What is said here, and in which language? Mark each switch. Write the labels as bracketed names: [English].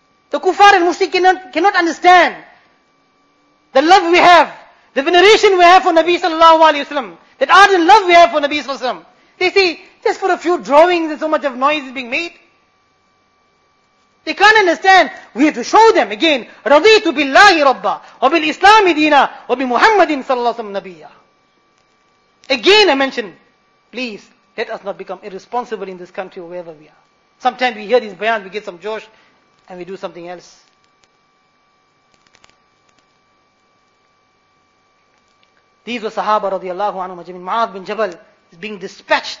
[English] The kuffar and mushrik cannot understand the love we have, the veneration we have for Nabi sallallahu alayhi wa sallam, that ardent love we have for Nabi sallallahu alayhi wa sallam. They see, just for a few drawings and so much of noise is being made. They can't understand. We have to show them again, [Arabic] رَضِيْتُ بِاللَّهِ رَبَّا وَبِالْإِسْلَامِ دِينَا وَبِمُحَمَّدٍ صَلَّى اللَّهُ عَلَيْهِ وَسَلَّمَ نَبِيًّا. [English] Again I mention, please, let us not become irresponsible in this country or wherever we are. Sometimes we hear these bayan, we get some josh, and we do something else. These were Sahaba radiallahu anhu majameen. Mu'adh bin Jabal is being dispatched.